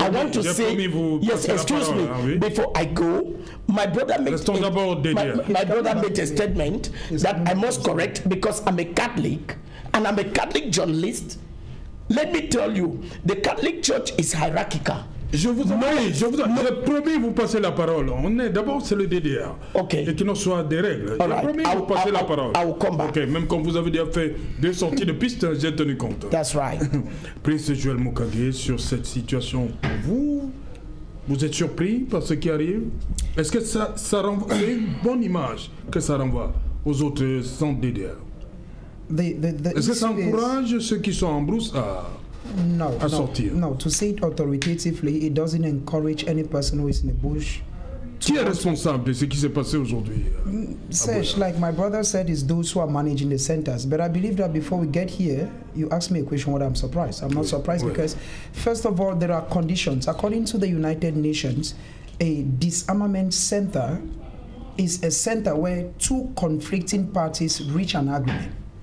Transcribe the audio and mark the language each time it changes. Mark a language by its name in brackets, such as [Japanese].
[English] I want to say, yes, excuse [French] parole, [English] me, [French] oui. [English] Before I go, my brother made a statement that I must correct, because I'm a Catholic and I'm a Catholic journalist. Let me tell you, the Catholic Church is hierarchical. [French] Je vous en prie, je promets vous passer la parole. On est d'abord, c'est le DDR. [English] Okay. [French] Et qu'il en soit des règles. [English] All right. [French] Je promets vous passer la parole. [English] I will come back. Okay. [French] Même quand vous avez déjà fait deux sorties de piste, j'ai tenu compte. [English] That's right. [French] Prince Joël Mukage, sur cette situation, vous êtes surpris par ce qui arrive? Est-ce que ça renvoie, c'est une bonne image que ça renvoie aux autres centres DDR? Est-ce que ça encourage ceux qui sont en brousse à... [English] No, to say it authoritatively, it doesn't encourage any person who is in the bush. [French] Qui est responsable de ce qui s'est passé aujourd'hui? [English] Serge, like my brother said, it's those who are managing the centers. But I believe that before we get here, you asked me a question, what I'm surprised. I'm not surprised because, first of all, there are conditions. According to the United Nations, a disarmament center is a center where two conflicting parties reach an agreement.